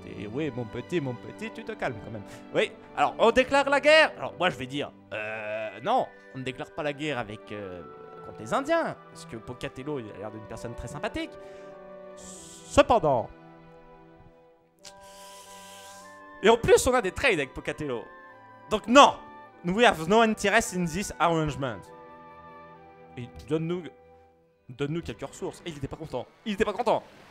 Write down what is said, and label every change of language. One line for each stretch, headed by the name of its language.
French: Oui, mon petit, tu te calmes quand même. Oui, alors on déclare la guerre. Alors moi je vais dire, non, on ne déclare pas la guerre avec. Contre les Indiens, parce que Pocatello il a l'air d'une personne très sympathique. Cependant. Et en plus, on a des trades avec Pocatello. Donc, non!
English: We have no interest in this arrangement.
French: Et donne-nous quelques ressources. Et il était pas content. Ouais, il était pas content.